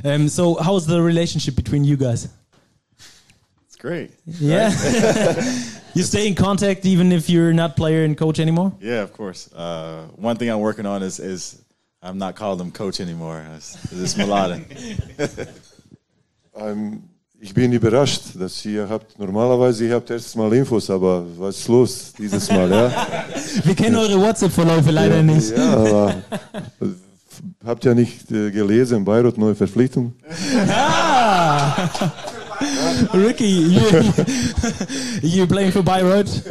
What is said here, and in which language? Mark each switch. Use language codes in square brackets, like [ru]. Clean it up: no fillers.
[en] So how is the relationship between you guys? It's great. Yeah. Right? You stay in contact even if you're not player and coach anymore? Yeah, of course. One thing I'm working on is I'm not calling him coach anymore. It's Mladen. [de] Ich bin überrascht, dass ihr habt, normalerweise ihr habt erstes Mal Infos, aber was ist los dieses Mal, ja? Wir kennen eure WhatsApp-Verläufe leider nicht. Ja, aber habt ihr nicht gelesen, Beirut, neue Verpflichtung? Ah! [en] Ricky, you're playing for Beirut?